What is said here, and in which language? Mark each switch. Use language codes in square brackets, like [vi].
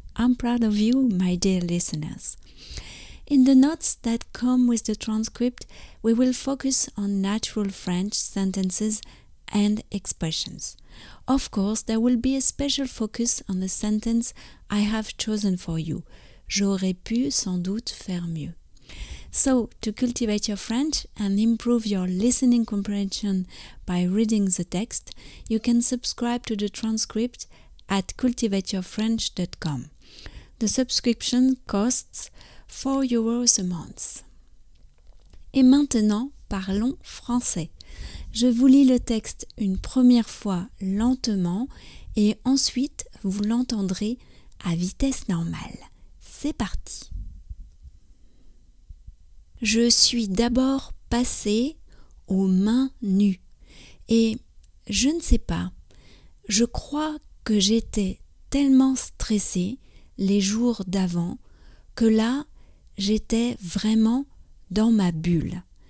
[en] I'm proud of you, my dear listeners. In the notes that come with the transcript, we will focus on natural French sentences and expressions. Of course, there will be a special focus on the sentence I have chosen for you. [fr] J'aurais pu sans doute faire mieux. [en] So, to cultivate your French and improve your listening comprehension by reading the text, you can subscribe to the transcript at cultivateyourfrench.com. The subscription costs 4 euros a month. [fr] Et maintenant, parlons français. Je vous lis le texte une première fois lentement et ensuite vous l'entendrez à vitesse normale. C'est parti. Je suis d'abord passé aux mains nues et je ne sais pas, je crois que j'étais tellement stressée les jours d'avant que là, j'étais vraiment dans ma bulle.